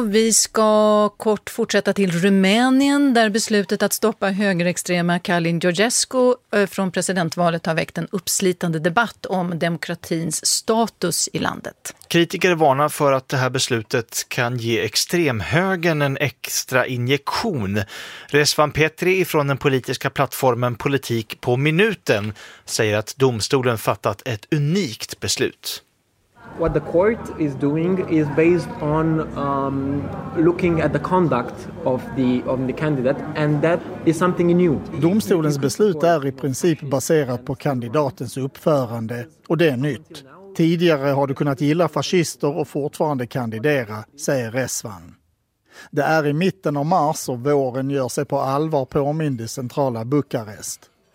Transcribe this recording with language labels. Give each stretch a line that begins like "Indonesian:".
Swedish: Vi ska kort fortsätta till Rumänien där beslutet att stoppa högerextrema Calin Georgescu från presidentvalet har väckt en uppslitande debatt om demokratins status i landet. Kritiker varnar för att det här beslutet kan ge extremhögern en extra injektion. Rezvan Petri från den politiska plattformen Politik på minuten säger att domstolen fattat ett unikt beslut.
English: What the court is doing is based on looking at the conduct of the candidate, and that is something new.
Swedish: Domstolens beslut är i princip baserat på kandidatens uppförande, och det är nytt. Tidigare har du kunnat gilla fascister och fortfarande kandidera, säger Rezvan. Det är i mitten av mars och våren gör sig på allvar påmind i centrala Bukarest.